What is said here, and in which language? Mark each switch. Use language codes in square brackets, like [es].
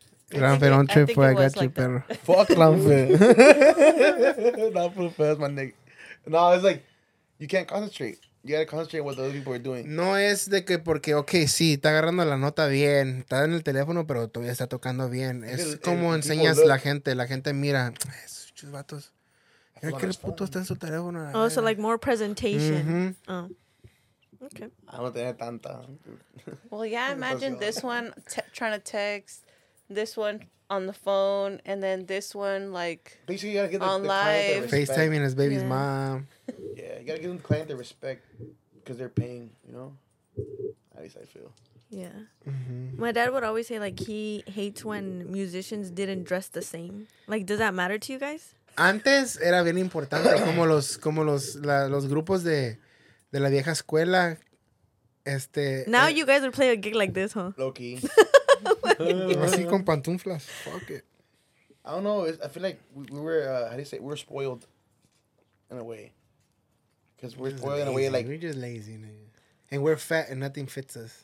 [en] Ramfe, don't trip for I got you, like perro. Fuck Ramfe. Not for the first, my nigga. No, it's like, you can't concentrate. You gotta concentrate on what the other people are doing. [es] No es de que porque, okay, sí, está agarrando la nota bien. Está en el teléfono, pero todavía está tocando bien. Es como enseñas a la gente mira. Esos vatos. Mira que el puto está en su teléfono. [en] Oh, so like more presentation. Mm-hmm. Oh. Okay. I don't tener tanta. Well, yeah, imagine this one trying to text, this one on the phone, and then this one, like, basically, you gotta get the client their respect. FaceTiming his baby's mom. Yeah, you gotta give them the client their respect because they're paying, you know? At least I feel. Yeah. Mm-hmm. My dad would always say, like, he hates when musicians didn't dress the same. Like, does that matter to you guys? [es] Antes era bien importante como los grupos de la vieja escuela. [en] Now you guys would play a gig like this, huh? Low-key. [es] Así con pantuflas. [en] Fuck it. I don't know. I feel like we were, how do you say, we were spoiled in a way. Because we're spoiling lazy. Away, like... We're just lazy, nigga. And we're fat and nothing fits us.